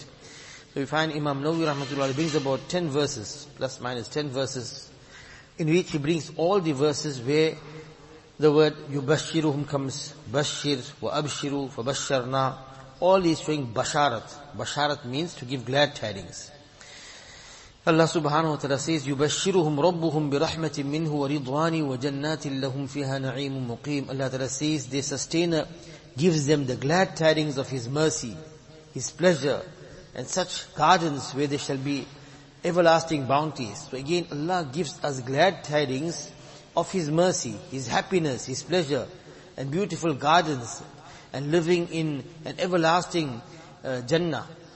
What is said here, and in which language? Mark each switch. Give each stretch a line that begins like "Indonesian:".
English: So we find Imam Nawawi rahmatullahi brings about 10 verses, plus minus 10 verses, in which he brings all the verses where the word yubashshiruhum comes, bashir wa abshiru fa basharna, all is showing basharat. Basharat means to give glad tidings. Allah subhanahu wa ta'ala says,
Arabic: يُبَشِّرُهُمْ رَبُّهُمْ بِرَحْمَةٍ مِّنْهُ وَرِضْوَانٍ وَجَنَّاتٍ لَّهُمْ فِيهَا نَعِيمٌ مُقِيمٌ.
English: Allah ta'ala says, their sustainer gives them the glad tidings of His mercy, His pleasure, and such gardens where there shall be everlasting bounties. So again, Allah gives us glad tidings of His mercy, His happiness, His pleasure, and beautiful gardens, and living in an everlasting Jannah.